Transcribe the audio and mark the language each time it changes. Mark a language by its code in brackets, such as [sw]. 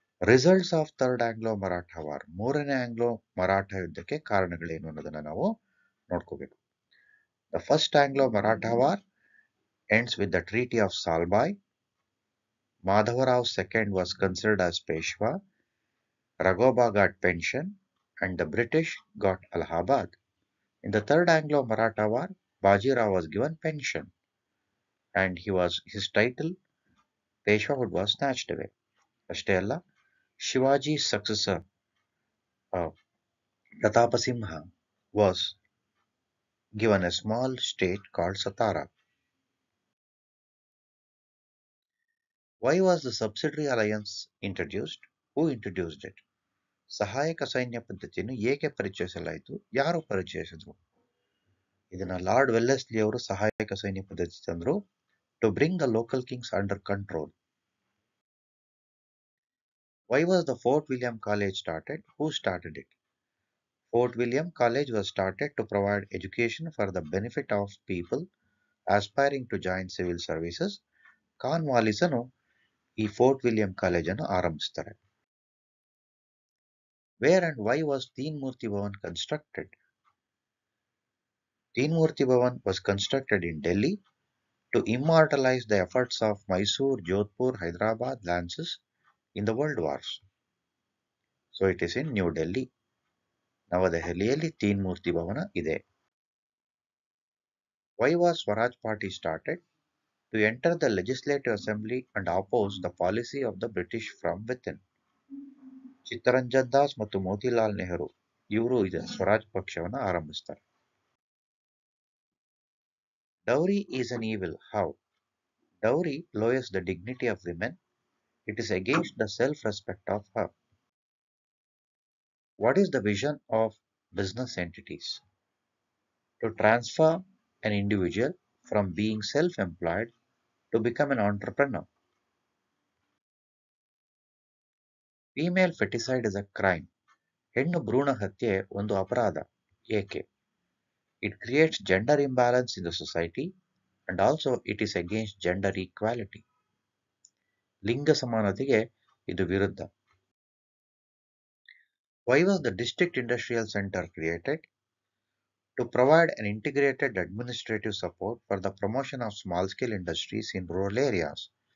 [en] results of third Anglo Maratha war, [kn] ಮೂರನೇ Anglo Maratha ಯುದ್ಧಕ್ಕೆ ಕಾರಣಗಳೇನು ಅನ್ನೋದನ್ನ ನಾವು ನೋಡ್ಕೋಬೇಕು. [en] The first Anglo Maratha war ends with the treaty of Salbai. Madhavrao second was considered as Peshwa. Raghoba got pension and the British got Allahabad. In the third Anglo-Maratha war, Bajirao was given pension and his title Peshwahood was snatched away. [kn] Ashte alla, [en] Shivaji's successor Pratapasimha was given a small state called Satara. Why was the subsidiary alliance introduced? Who introduced it? [kn] ಸಹಾಯಕ ಸೈನ್ಯ ಪದ್ಧತಿಯನ್ನು ಏಕೆ ಪರಿಚಯಿಸಲಾಯಿತು? ಯಾರು ಪರಿಚಯಿಸಿದ್ರು? ಇದನ್ನ lord Wellesley ಅವರು ಸಹಾಯಕ ಸೈನ್ಯ ಪದ್ಧತಿ ತಂದ್ರು. [en] To bring the local kings under control. Why was the Fort William College started, who started it? Fort William College was started to provide education for the benefit of people aspiring to join civil services. [kn] Corn Wallis ಅನ್ನು ಈ fort William college ಅನ್ನು ಆರಂಭಿಸ್ತಾರೆ. [en] Where and why was Teen Murthy Bhavan constructed? Teen Murthy Bhavan was constructed in Delhi to immortalize the efforts of Mysore, Jodhpur, Hyderabad lances in the world wars. So it is in New Delhi. [kn] Navadehalli Teen Murthy Bhavan ide. [en] Why was Swaraj Party started? To enter the legislative assembly and oppose the policy of the British from within. [kn] Chittaranjan Das ಮತ್ತು ಮೋತಿಲಾಲ್ ನೆಹರು ಇವರು ಇದನ್ನು ಸ್ವರಾಜ್ ಪಕ್ಷವನ್ನು ಆರಂಭಿಸ್ತಾರೆ. [en] Dowry is an evil, how? Dowry lowers the dignity of women. It is against the self respect of her. What is the vision of business entities? To transfer an individual from being self employed to become an entrepreneur. Female feticide is a crime. [kn] ಹೆಣ್ಣು ಭ್ರೂಣ ಹತ್ಯೆ ಒಂದು ಅಪರಾಧ, ಏಕೆ? [en] It creates gender imbalance in the society, and also it is against gender equality. [kn] Linga samanathige idu viruddha. [en] Why was the district industrial center created? To provide an integrated administrative support for the promotion of small scale industries in rural areas.